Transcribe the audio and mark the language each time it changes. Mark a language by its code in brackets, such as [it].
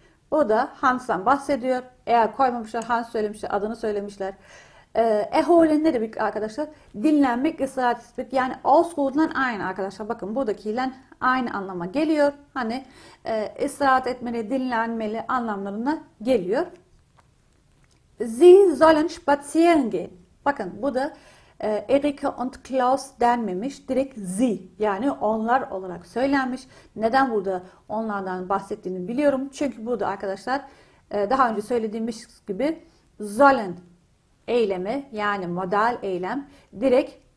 [tr] O da Hans'tan bahsediyor. Eğer koymamışlar, Hans söylemişler, adını söylemişler. Erholen ne demek arkadaşlar? Dinlenmek, ısrar etmek. Yani ausruhen'den aynı arkadaşlar. Bakın buradakiyle aynı anlama geliyor. Hani ısrar etmeli, dinlenmeli anlamlarına geliyor. [de] Sie sollen spazieren gehen. [tr] Bakın bu da Erika und Klaus denmemiş. Direkt sie, yani onlar olarak söylenmiş. Neden burada onlardan bahsettiğini biliyorum. Çünkü burada arkadaşlar daha önce söylediğimiz gibi sollen eylemi, yani modal eylem direkt